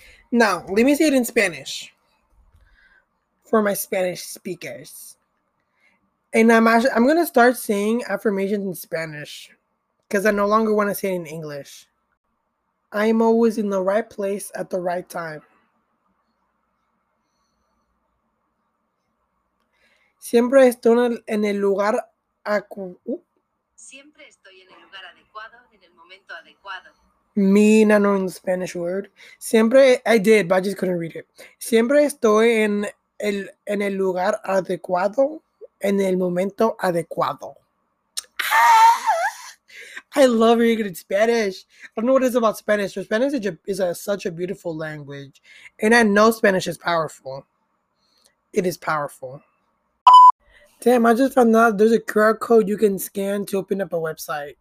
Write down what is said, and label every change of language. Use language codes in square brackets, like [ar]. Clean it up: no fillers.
[en] Now, let me say it in Spanish for my Spanish speakers. And I'm going to start saying affirmations in Spanish because I no longer want to say it in English. I am always in the right place at the right time. [es] Siempre estoy en el lugar adecuado. Siempre estoy en el lugar adecuado en el momento adecuado. [en] Me not knowing the Spanish word. Siempre, I did, but I just couldn't read it. [es] Siempre estoy en el lugar adecuado. En el momento adecuado. [en] I love reading it in Spanish. I don't know what it is about Spanish. Spanish is such a beautiful language. And I know Spanish is powerful. It is powerful. Damn, I just found out there's a QR code you can scan to open up a website.